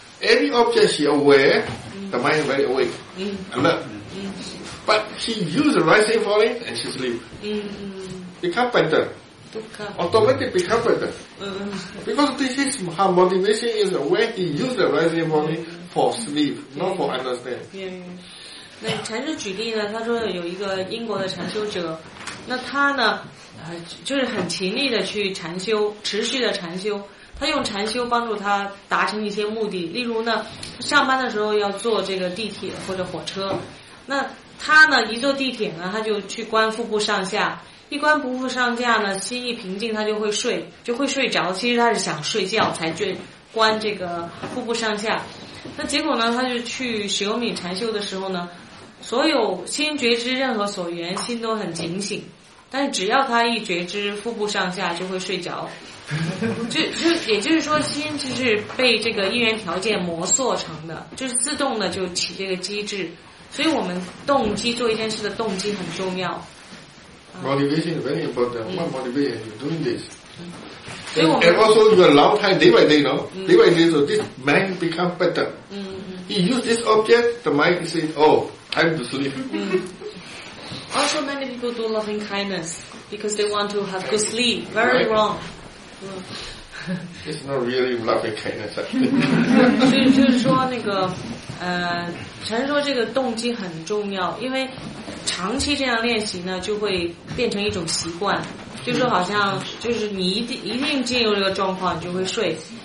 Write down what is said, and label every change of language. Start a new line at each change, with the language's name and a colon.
English: Any object she aware, the mind very awake, alert. But she use the rising falling and she sleep. Become better. Automatic become better. Because this is her motivation is aware, he use the rising falling for sleep, not for understand. Yeah.
Chinese: 那禅师举例呢，他说有一个英国的禅修者，那他呢就是很勤力的去禅修，持续的禅修，他用禅修帮助他达成一些目的。例如呢，上班的时候要坐这个地铁或者火车，那他呢一坐地铁呢，他就去观腹部上下，一观腹部上下呢，心一平静，他就会睡着。其实他是想睡觉才去观这个腹部上下。那结果呢，他就去十有米禅修的时候呢，所有心觉知任何所缘，心都很警醒。但是只要他一觉知腹部上下就会睡着，就也就是说心就是被这个因缘条件磨塑成的，就是自动的就起这个机制，所以我们动机做一件事的动机很重要。
English: Motivation is very important. What motivation you doing this? And also you are long time day by day, no? Day by day, so this mind become better. He use this object, the mind say, "Oh, I'm to sleep." Also, many people do loving kindness because they want to have good sleep. Very wrong. It's not really loving kindness.
Chinese: 所以就是说，那个，禅师说这个动机很重要，因为长期这样练习呢，就会变成一种习惯。就是好像，就是你一定进入这个状况，你就会睡。